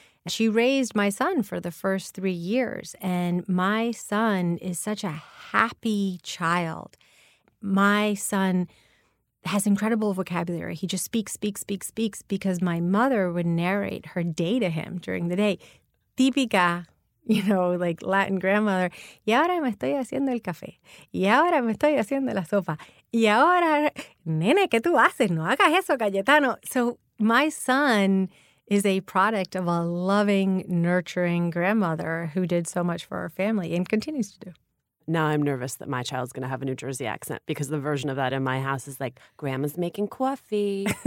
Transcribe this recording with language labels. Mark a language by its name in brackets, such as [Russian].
[English] She raised my son for the first 3 years, and my son is such a happy child. My son has incredible vocabulary. He just speaks, because my mother would narrate her day to him during the day. Típica, you know, like Latin grandmother. [Spanish] Y ahora me estoy haciendo el café. Y ahora me estoy haciendo la sopa. Y ahora, nene, ¿qué tú haces? No hagas eso, Cayetano. [English] So my son is a product of a loving, nurturing grandmother who did so much for our family and continues to do. Now I'm nervous that my child's going to have a New Jersey accent because the version of that in my house is like, grandma's making coffee.